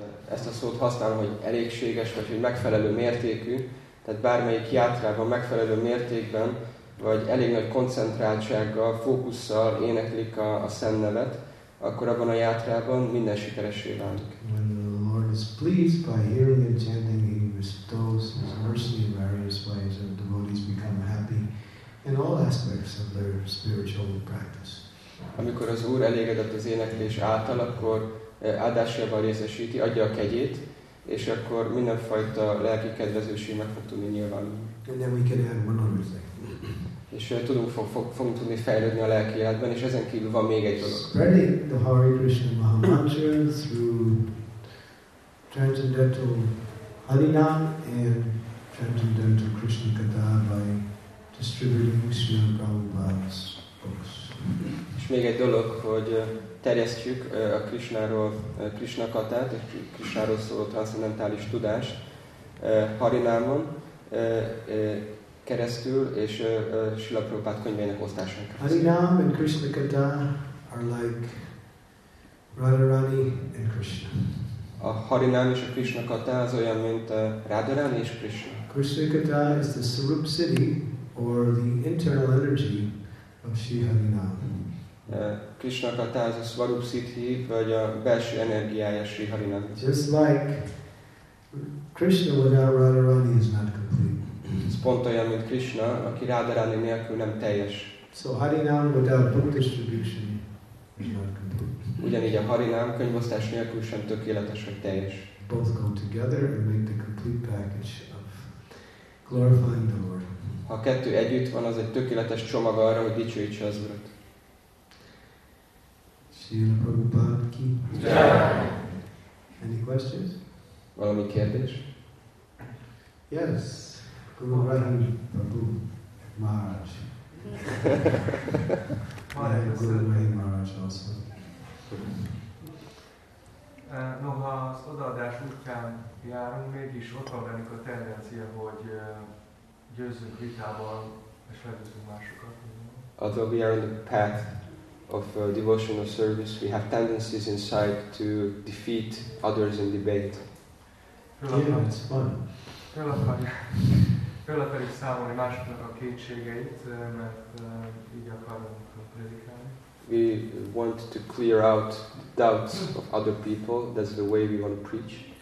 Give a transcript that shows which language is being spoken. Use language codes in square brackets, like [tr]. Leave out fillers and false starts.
[hu] Ezt a szót használom, hogy elégséges, vagy hogy megfelelő mértékű, tehát bármelyik yatrában megfelelő mértékben, vagy elég nagy koncentráltsággal, fókusszal éneklik a szent nevet, akkor abban a yatrában minden sikeressé válik. [en] When the Lord is pleased by hearing and chanting, he bestows his mercy in various ways, and devotees become happy in all aspects of their spiritual practice. [hu] Amikor az Úr elégedett az éneklés által, akkor áldásával részesíti, adja a kegyét, és akkor mindenfajta lelki kedvezőség meg fog tudni nyilvánulni. [en] And then we can add one other thing. [hu] És tudunk, fogunk tudni fejlődni a lelki életben, és ezen kívül van még egy dolog. [en] Spreading the Hare Krishna Mahamantra through transcendental Harinam and transcendental Krishna Katha by distributing Srila Prabhupada's books. [hu] És még egy dolog, hogy terjesztjük a Krishnáról Krishna Kathát, és Krishnáról szóló transzendentális tudást Harinamon, keresztül és Srila Prabhupada könyveinek osztásán keresztül. [en] Harinam and Krishna Katha are like Radharani and Krishna. [hu] A Harinam és a Krishna Katha az olyan, mint Radharani és Krishna. [en] Krishna Katha is the Swarup City or the internal energy of Sri Harinam. [hu] Krishna Katha az a Swarup City, vagy a belső energiája Sri Harinam. [en] Just like Krishna without Radharani is not complete. [hu] Pont olyan, mint Krishna, aki Radharani nélkül nem teljes. [en] So Harinam without book distribution is not complete. [hu] Ugyanígy a Harinam könyvosztás nélkül sem tökéletes, vagy teljes. [en] Both go together and make the complete package of glorifying the Lord. [hu] Ha a kettő együtt van, az egy tökéletes csomag arra, hogy dicsőítse az Urat. Srila Prabhupada ki. [en] Yeah. Any questions? [hu] Valami kérdés? [en] Yes. Guru Prabhu Maharaj. Maharaj. Yeah, Guru Rahim Maharaj also. [hu] Noha az odaadás útján járunk, mégis ott van bennük a tendencia, hogy győzzünk vitában és legyőzünk másokat. [en] Although we are on the path of devotional service, we have tendencies inside to defeat others in debate. Yeah, it's fun. [hu] Föl akarjuk számolni másoknak a kétségeit, mert így akarunk predikálni. [en] We want to clear out doubts of other people. That's the way we want to preach.